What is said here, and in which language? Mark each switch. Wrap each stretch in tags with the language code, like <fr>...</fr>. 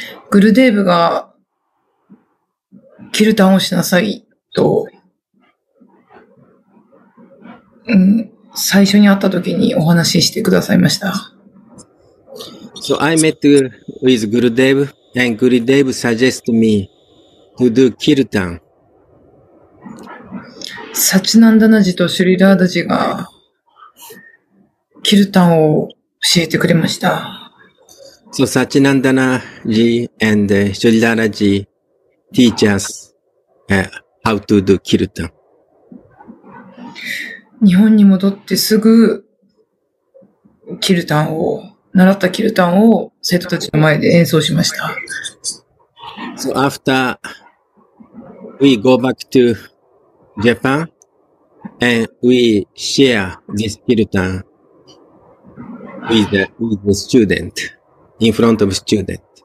<ja>グルデーブがキルタンをしなさいと。最初に会った時にお話ししてくださいました。</ja> <en>So I met with Gurudev and Gurudev suggest me to do kirtan.</en> <ja>サチナンダナジとシュリラーダジがキルタンを教えてくれました。</ja> <en>So サチナンダナジ and シュリラーダジ teach us how to do kirtan.</en> <ja>日本に戻ってすぐキルタンを習ったキルタンを生徒たちの前で演奏しました。</ja> <en>So after we go back to Japan and we share this kirtan with the student in front of student.</en>